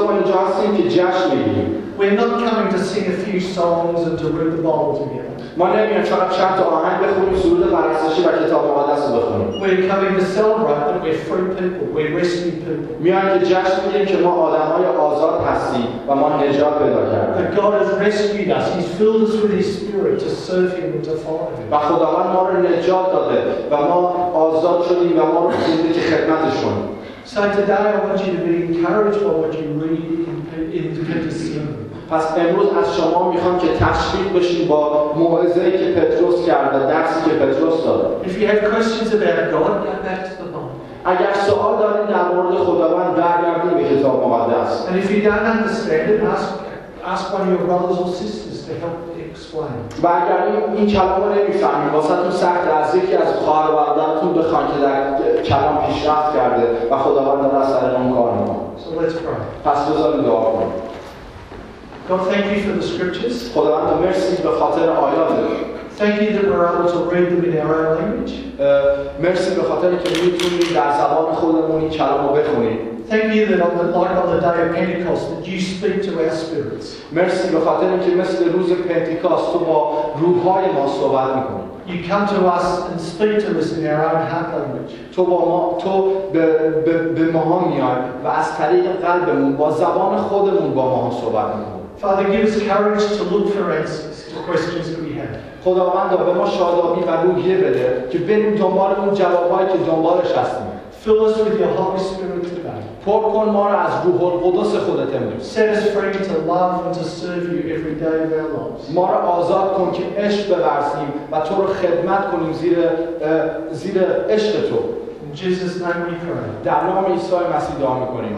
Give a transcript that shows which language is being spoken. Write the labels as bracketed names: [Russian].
[English] We will know how much God loves us. We're not coming to sing a few songs and to read the Bible together. [Persian] ما نمیایم چند تا آهنگ بخونیم، سرود ورزشی و کتاب مقدس رو بخونیم. [English] We're coming to celebrate that we're free people, we're rescued people. [Persian] میایم که جشن بگیریم که ما آدم‌های آزاد هستیم و ما نجات پیدا کردیم. [English] That God has rescued us. He's filled us with His Spirit to serve Him and to follow Him. [Persian] و خداوند ما رو نجات داده و ما آزاد شدیم و ما رو خونده که خدمتش کنیم. [English] So today I want you to be encouraged by what you read in Peter's sermon. [Persian] پس امروز از شما میخوام که تشویق بشین با موعظه‌ای که پتروس کرد، درسی که پتروس داد. [English] If you have questions about God, go back to the Bible. [Persian] اگر سوال دارید در مورد خداوند، برگردید به کتاب مقدس. [English] And if you don't understand it, ask one of your brothers or sisters to help explain. [Persian] و اگر این کلام رو نمیفهمید، واسهتون سخت از یکی از خواهر و برادرتون بخواید که در کلام پیشرفت کرده و خداوند در اثر اون کار می‌کنه. [English] So let's pray. [Persian] پس بذارید دعا کنیم. [English] God, thank you for the scriptures. [Persian] خداوند مرسی به خاطر آیات. [English] Thank you that we're able to read them in our own language. [Persian] مرسی به خاطر که میتونیم در زبان خودمون این کلام رو بخونیم. [English] Thank you that on the night of the day of Pentecost that you speak to our spirits. [Persian] مرسی به خاطر که مثل روز پنتیکاست تو با روح‌های ما صحبت می‌کنی. [English] You come to us and speak to us in our own heart language. [Persian] تو با ما تو به ماها میای و از طریق قلبمون با زبان خودمون با ما صحبت می‌کنی. [English] Father, give us courage to look for answers to questions that we have. [Persian] خداوند به ما شادابی و روحیه بده که بریم دنبال اون جوابایی که دنبالش هستیم. [English] Fill us with your Holy Spirit today. [Persian] پر کن ما را از روح القدس خودت امروز. [English] Set us free to love and to serve you every day of our lives. [Persian] ما را آزاد کن که عشق بورزیم و تو را خدمت کنیم زیر عشق تو. [English] In Jesus' name we pray. [Persian] در نام عیسی مسیح دعا می‌کنیم.